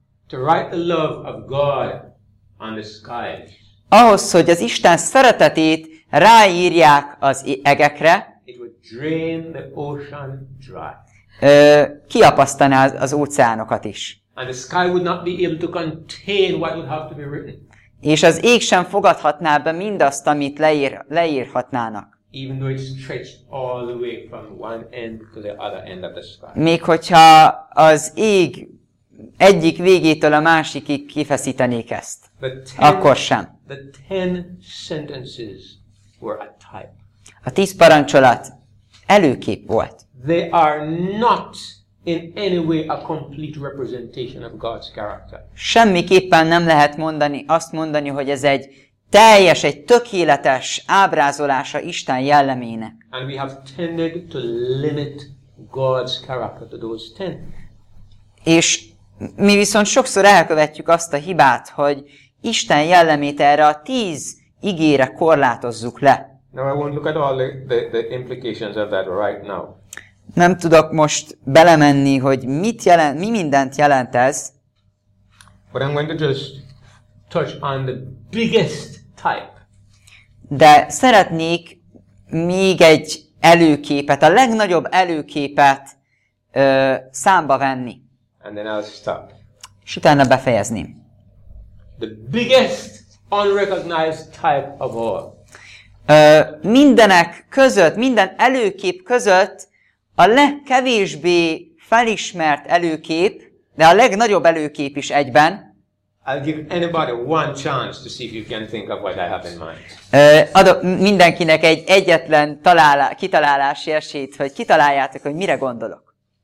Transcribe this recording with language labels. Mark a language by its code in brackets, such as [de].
[en] To write the love of God on the skies. [hu] Ahhoz, hogy az Isten szeretetét ráírják az egekre. [en] It would drain the ocean dry. [hu] Kiapasztaná az óceánokat is. [en] And the sky would not be able to contain what would have to be written. [hu] És az ég sem fogadhatná be mindazt, amit leírhatnának. [en] Even though it stretched all the way from one end to the other end of the sky. [hu] Még hogyha az ég egyik végétől a másikig kifeszítenék ezt, akkor sem. [en] The 10 sentences were a type. [hu] A 10 parancsolat előkép volt. [en] They are not in any way a complete representation of God's character. [hu] Semmiképpen nem lehet mondani, hogy ez egy teljes, egy tökéletes ábrázolása Isten jellemének. [en] And we have tended to limit God's character to those 10. [hu] És mi viszont sokszor elkövetjük azt a hibát, hogy Isten jellemét erre a 10 igére korlátozzuk le. [en] Now I won't look at all the implications of that right now. [hu] Nem tudok most belemenni, hogy mi mindent jelent ez. [en] But I'm going to just touch on the biggest type. [hu] De szeretnék még egy előképet, a legnagyobb előképet számba venni. [en] And then I'll stop. [hu] És utána befejezném. [en] The biggest unrecognized type of all. [hu] Mindenek között, minden előkép között a legkevésbé felismert előkép, de a legnagyobb előkép is egyben. [en] I'll give anybody one chance to see if you can think of what I have in mind. [hu] Adok mindenkinek egy egyetlen kitalálási esélyt, hogy kitaláljátok, hogy mire gondolok.